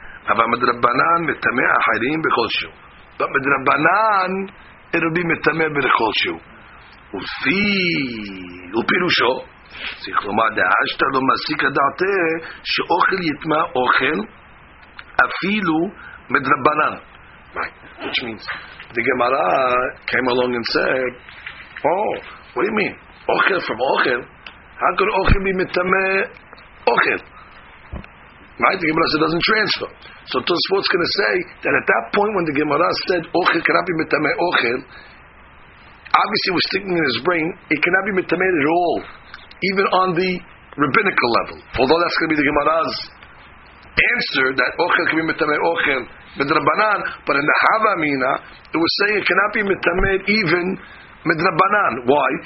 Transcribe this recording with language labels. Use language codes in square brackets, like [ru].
[he] אבל מדרבנן מתמא אחרים בכל שהוא. אבל מדרבנן אירובי מתמא בכל שהוא. ופי, ופירושו, צריך לומר דעשתה לא מסיק הדעתה, שאוכל יתמא אוכל אפילו מדרבנן. [en] Right, which means, the Gemara came along and said, oh, what do you mean? אוכל from אוכל? How could אוכל be מתמא אוכל? Right, the Gemara said doesn't transfer. So Tosfot's going to say that at that point when the Gemara said ochel cannot be metame ochel, obviously was thinking in his brain it cannot be metame at all, even on the rabbinical level. Although that's going to be the Gemara's answer that ochel can be metame ochel medrabanan, but in the Hava Amina it was saying it cannot be metame even medrabanan. Why?